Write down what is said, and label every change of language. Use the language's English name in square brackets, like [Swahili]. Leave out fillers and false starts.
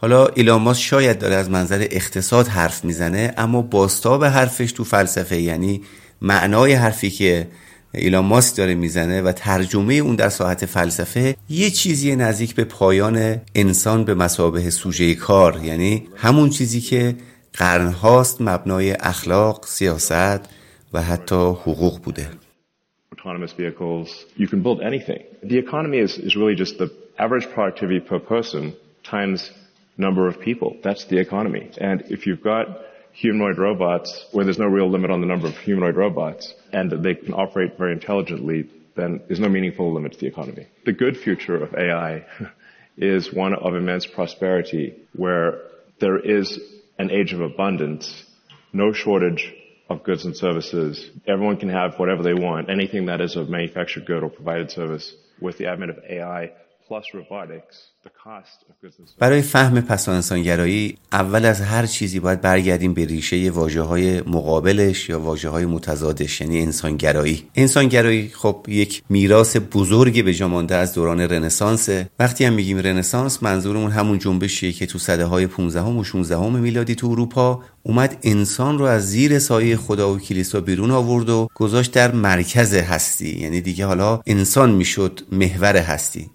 [Persian] حالا ایلان ماسک شاید داره از منظر اقتصاد حرف میزنه، اما بازتاب حرفش تو فلسفه، یعنی معنای حرفی که ایلان ماسک داره میزنه و ترجمه اون در ساحت فلسفه، یه چیزی نزدیک به پایان انسان به مثابه سوژه کار، یعنی همون چیزی که قرنهاست مبنای اخلاق، سیاست و حتی حقوق بوده. [English] Autonomous vehicles, you can build anything. The economy is really just the average productivity per person times number of people. That's the economy. And if you've got humanoid robots where there's no real limit on the number of humanoid robots and they can operate very intelligently, then there's no meaningful limit to the economy. The good future of AI is one of immense prosperity where there is an age of abundance, no shortage of goods and services. Everyone can have whatever they want, anything that is a manufactured good or provided service. With the advent of AI plus robotics, the cost of goods and services. [Persian] برای فهم پسانسانگرایی اول از هر چیزی باید برگردیم به ریشه واژه‌های مقابلش یا واژه‌های متضادش، یعنی انسانگرایی. انسانگرایی خب یک میراث بزرگی به جا مانده از دوران رنسانس. وقتی هم میگیم رنسانس، منظورمون همون جنبشیه که تو سده‌های 15 و 16 میلادی تو اروپا اومد انسان رو از زیر سایه خدا و کلیسا بیرون آورد و گذاشت در مرکز هستی، یعنی دیگه حالا انسان میشد محور هستی.